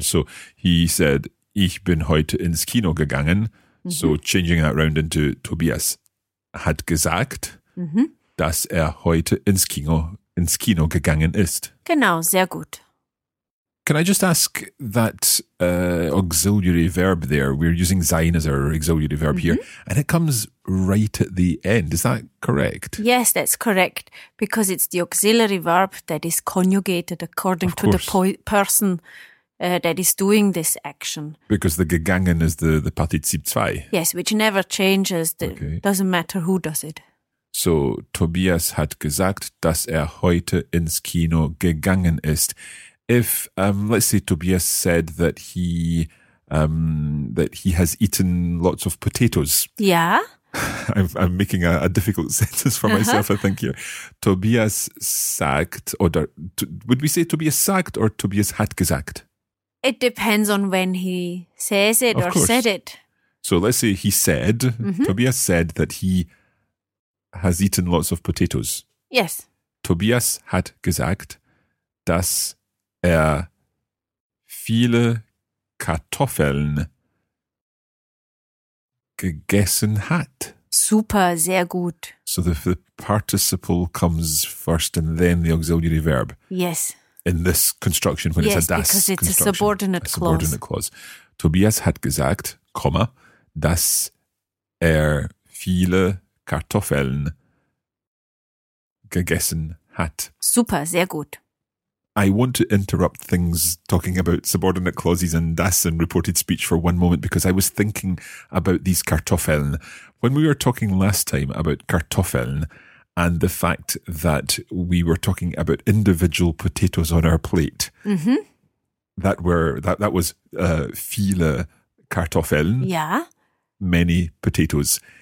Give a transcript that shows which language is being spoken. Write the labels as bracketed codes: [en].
[en] So he said, [de] ich bin heute ins Kino gegangen. Mm-hmm. [en] So changing that round into [de] Tobias hat gesagt, dass heute ins Kino gegangen ist. Genau, sehr gut. [en] Can I just ask that auxiliary verb there? We're using sein as our auxiliary verb here, and it comes right at the end. Is that correct? Yes, that's correct, because it's the auxiliary verb that is conjugated according to the person that is doing this action. Because the gegangen is the Partizip 2. Yes, which never changes. Doesn't matter who does it. So, [de] Tobias hat gesagt, dass heute ins Kino gegangen ist. [en] If, let's say, Tobias said that he has eaten lots of potatoes. Yeah. I'm making a difficult sentence for myself, I think, here. [de] Tobias sagt, [en] would we say [de] Tobias sagt or Tobias hat gesagt? [en] It depends on when he says it said it. So let's say he said, Tobias said that he has eaten lots of potatoes. Yes. [de] Tobias hat gesagt, dass viele Kartoffeln gegessen hat. Super, sehr gut. [en] So the participle comes first and then the auxiliary verb. Yes. In this construction, when yes, it's a das construction. Yes, because it's a subordinate clause. [de] Tobias hat gesagt, dass viele Kartoffeln gegessen hat. Super, sehr gut. [en] I want to interrupt things talking about subordinate clauses and das and reported speech for one moment, because I was thinking about these Kartoffeln. When we were talking last time about Kartoffeln and the fact that we were talking about individual potatoes on our plate, that was [de] viele Kartoffeln, [en] many potatoes.